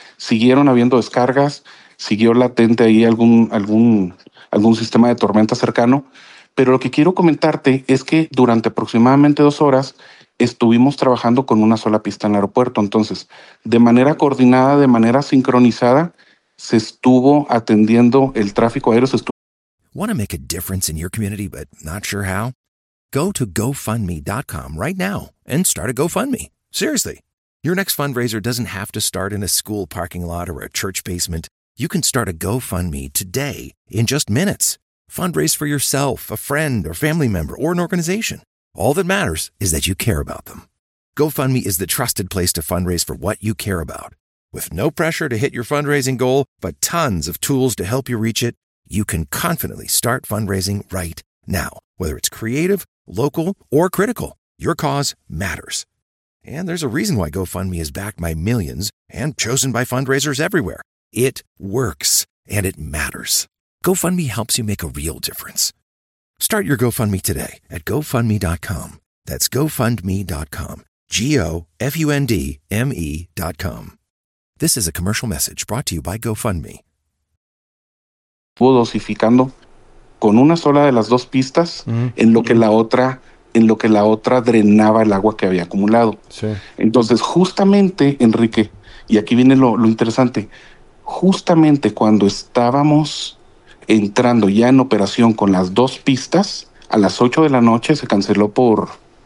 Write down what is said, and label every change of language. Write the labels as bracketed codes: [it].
[es] Siguieron habiendo descargas, siguió latente ahí algún sistema de tormenta cercano. Pero lo que quiero comentarte es que durante aproximadamente 2 horas estuvimos trabajando con una sola pista en el aeropuerto. Entonces, de manera coordinada, de manera sincronizada, se estuvo atendiendo el tráfico aéreo. [en] Want to make a difference in your community, but not sure how? Go to GoFundMe.com right now and start a GoFundMe. Seriously, your next fundraiser doesn't have to start in a school parking lot or a church basement. You can start a GoFundMe today in just minutes. Fundraise for yourself, a friend, or family member, or an organization. All that matters is that you care about them. GoFundMe is the trusted place to fundraise for what you care about. With no pressure to hit your fundraising goal, but tons of tools to help you reach it, you can confidently start fundraising right now. Whether it's creative, local, or critical, your cause matters. And there's a reason why GoFundMe is backed by millions and chosen by fundraisers everywhere. It works, and it matters. GoFundMe helps you make a real difference. Start your GoFundMe today at GoFundMe.com. That's GoFundMe.com. GoFundMe.com. This is a commercial message brought to you by GoFundMe. [es] Fue dosificando con una sola de las dos pistas en lo que la otra drenaba el agua que había acumulado. Sí. Entonces, justamente, Enrique, y aquí viene lo interesante, justamente cuando estábamos entrando ya en operación con las dos pistas, a las 8 de la noche se canceló por...